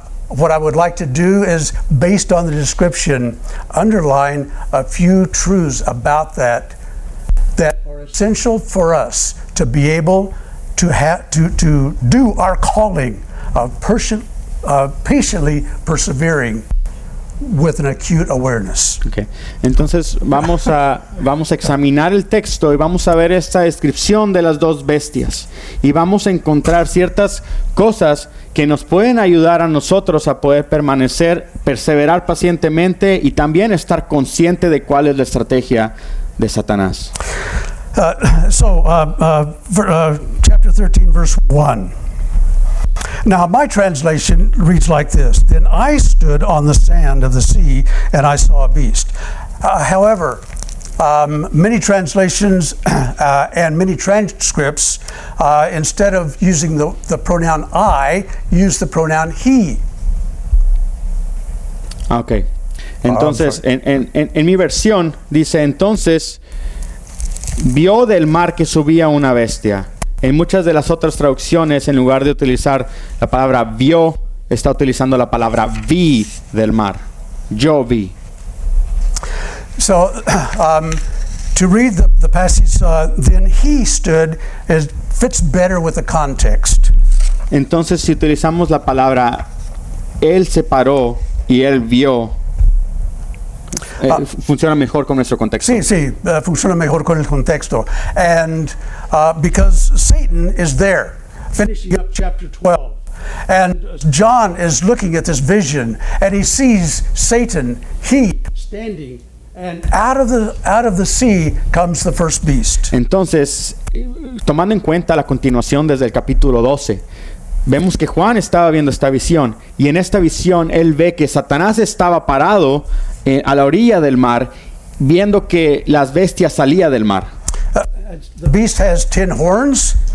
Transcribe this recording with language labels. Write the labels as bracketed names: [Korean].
[English] what I would like to do is, based on the description, underline a few truths about that are essential for us to be able to do our calling of patiently persevering with an acute awareness. Okay. [Spanish] Entonces vamos a examinar el texto y vamos a ver esta descripción de las dos bestias y vamos a encontrar ciertas cosas que nos pueden ayudar a nosotros a poder perseverar pacientemente y también estar consciente de cuál es la estrategia de Satanás. [English] Chapter 13, verse 1. Now, my translation reads like this. Then I stood on the sand of the sea, and I saw a beast. However, Many translations and many transcripts, instead of using the pronoun I, use the pronoun he. Okay. [Spanish] Entonces, en mi versión dice, entonces, vio del mar que subía una bestia. En muchas de las otras traducciones, en lugar de utilizar la palabra vio, está utilizando la palabra vi del mar. Yo vi. [English] So, to read the passage, then he stood, it fits better with the context. [Spanish] Entonces, si utilizamos la palabra, él se paró y él vio, funciona mejor con nuestro contexto. Sí, sí, funciona mejor con el contexto. [English] And because Satan is there, finishing up chapter 12. And John is looking at this vision, and he sees Satan, he, standing. And out of the sea comes the first beast. [Spanish] Entonces, tomando en cuenta la continuación desde el capítulo 12, vemos que Juan estaba viendo esta visión, y en esta visión él ve que Satanás estaba parado a la orilla del mar, viendo que las bestias salía del mar. [English] The beast has 10 horns.